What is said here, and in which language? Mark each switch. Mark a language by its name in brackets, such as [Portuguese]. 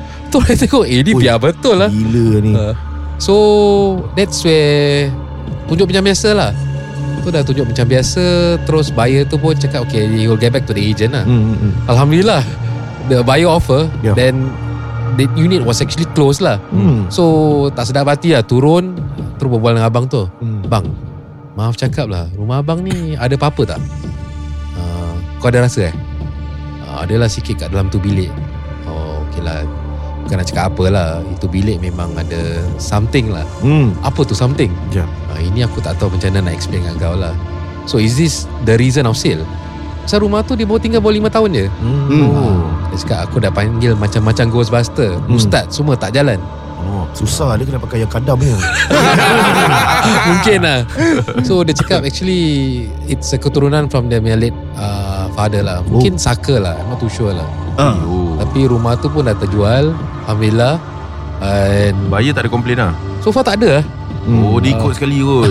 [Malay] Tu lah tengok, eh ni biar betul lah. Gila ni. [English] So that's where [Malay] tunjuk macam biasa lah. Tu dah tunjuk macam biasa, terus buyer tu pun cakap, okay, [English] he will get back to the agent [Malay] lah. [English] Alhamdulillah, the buyer offer, then that unit was actually closed lah. [Malay] So tak sedap hati lah, turun terus berbual dengan abang tu. Bang, maaf cakap lah, rumah abang ni ada apa-apa tak? Kau ada rasa eh? Adalah sikit kat dalam tu bilik. Oh, okey lah. Bukan nak cakap apa lah. Itu bilik memang ada something lah. Apa tu something? Ini aku tak tahu macam mana nak explain kat kau lah. [English] So, is this the reason of sale? [Malay] Pasal rumah tu dia baru tinggal baru 5 tahun je. Dia cakap aku dah panggil macam-macam ghostbuster. Ustaz, semua tak jalan. Susah dia kena pakai yang kadam ya. Mungkin lah. [English] So [Malay] dia cakap [English] actually it's a keturunan from the late father lah. [Malay] Mungkin saka lah, [English] I'm not too sure [Malay] lah. Tapi rumah tu pun dah terjual, alhamdulillah. And buyer tak ada komplain lah, so far tak ada. Oh, dia ikut sekali kot.